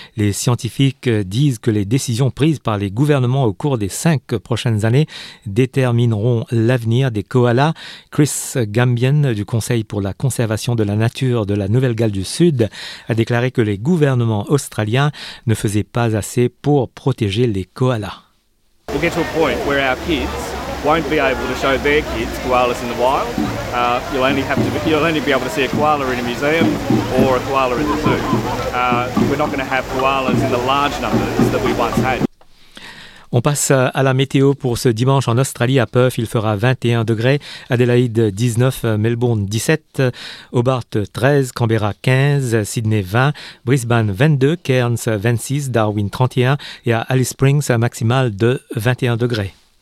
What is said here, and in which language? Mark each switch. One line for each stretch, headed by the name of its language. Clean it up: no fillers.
French: Les scientifiques disent que les décisions prises par les gouvernements au cours des 5 prochaines années détermineront l'avenir des koalas. Chris Gambian du Conseil pour la conservation de la nature de la Nouvelle-Galles du Sud a déclaré que les gouvernements australiens ne faisaient pas assez pour protéger les koalas.
English: We'll get to a point where our kids won't be able to show their kids koalas in the wild. You'll only be able to see a koala in a museum or a koala in the zoo. We're not going to have koalas in the large numbers that we once had.
French: On passe à la météo pour ce dimanche en Australie, à Perth, il fera 21 degrés, Adélaïde 19, Melbourne 17, Hobart 13, Canberra 15, Sydney 20, Brisbane 22, Cairns 26, Darwin 31 et à Alice Springs, un maximal de 21 degrés.